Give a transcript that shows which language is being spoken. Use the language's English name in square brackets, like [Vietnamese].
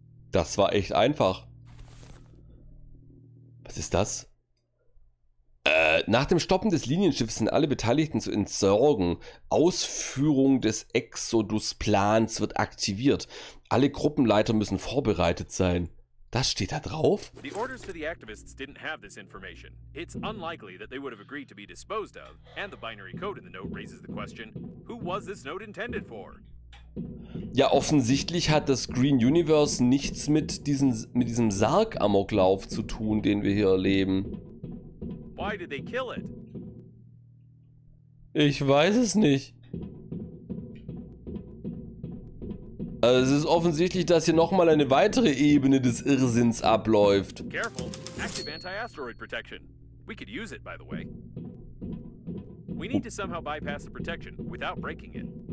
[German] Das war echt einfach. Was ist das? Nach dem Stoppen des Linienschiffs sind alle Beteiligten zu entsorgen. Ausführung des Exodus-Plans wird aktiviert. Alle Gruppenleiter müssen vorbereitet sein. Das steht da drauf? [English] The orders to the activists didn't have this information. It's unlikely that they would have agreed to be disposed of. And the binary code in the note raises the question, who was this note intended for? [German] Ja, offensichtlich hat das Green Universe nichts mit diesem Sarg-Amoklauf zu tun, den wir hier erleben. [English] Why did they kill it? [German] Ich weiß es nicht. Also es ist offensichtlich, dass hier nochmal eine weitere Ebene des Irrsinns abläuft. [English] Careful. Active anti-asteroid protection. We could use it, by the way. We need to somehow bypass the protection without breaking it.